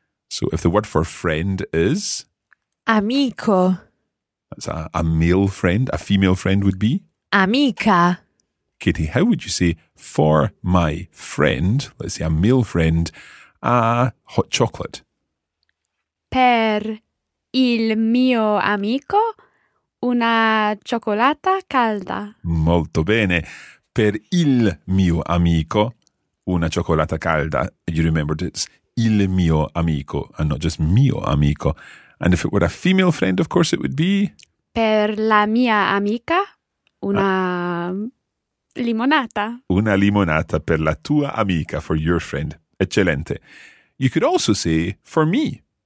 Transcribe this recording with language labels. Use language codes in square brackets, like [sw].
[en] So if the word for friend is... [it] Amico. [en] That's a male friend. A female friend would be... [it] Amica. [en] Katie, how would you say for my friend, let's say a male friend, a hot chocolate? [it] Per il mio amico, una cioccolata calda. Molto bene. Per il mio amico, una cioccolata calda. [en] You remembered it's [it] il mio amico [en] and not just [it] mio amico. [en] And if it were a female friend, of course, it would be... [it] Per la mia amica, una limonata. Una limonata per la tua amica, [en] for your friend. [it] Eccellente. [en] You could also say, for me.